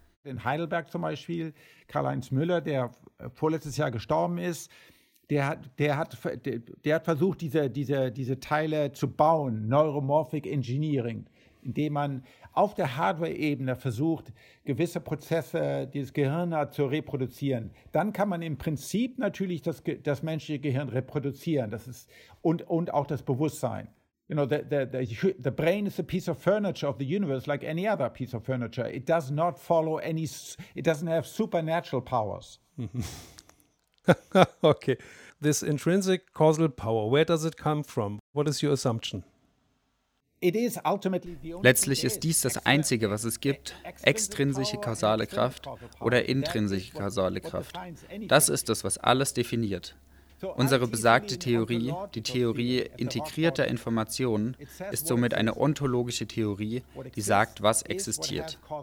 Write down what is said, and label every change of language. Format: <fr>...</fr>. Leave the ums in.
<de>In Heidelberg zum Beispiel, Karl-Heinz Müller, der vorletztes Jahr gestorben ist, der hat, der hat, der hat versucht, diese, diese, diese Teile zu bauen, Neuromorphic Engineering, indem man auf der Hardware-Ebene versucht, gewisse Prozesse des Gehirns zu reproduzieren. Dann kann man im Prinzip natürlich das, das menschliche Gehirn reproduzieren das ist, und, und auch das Bewusstsein.</de> <en>You know, the, the, the, the, brain is a piece of furniture of the universe like any other piece of furniture. It does not follow any, it doesn't have supernatural powers. okay. This intrinsic causal power, where does it come from? What is your assumption?</en> <de>Letztlich ist dies das Einzige, was es gibt, extrinsische kausale Kraft oder intrinsische kausale Kraft. Das ist es, was alles definiert. Unsere besagte Theorie, die Theorie integrierter Informationen, ist somit eine ontologische Theorie, die sagt, was existiert.</de>